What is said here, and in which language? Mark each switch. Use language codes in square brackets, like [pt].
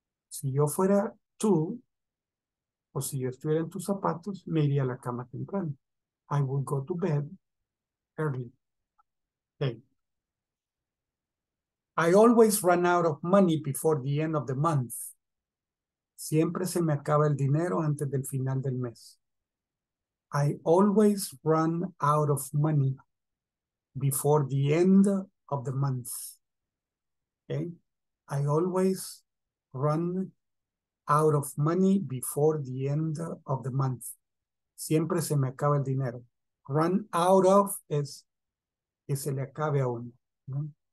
[es] Si yo fuera tú, o si yo estuviera en tus zapatos, me iría a la cama temprano. [en] I would go to bed early. Okay. I always run out of money before the end of the month. [es] Siempre se me acaba el dinero antes del final del mes. [en] I always run out of money before the end of the month. Okay. I always run out of money before the end of the month. [es] Siempre se me acaba el dinero. Run out of es que se le acabe a uno. ¿No?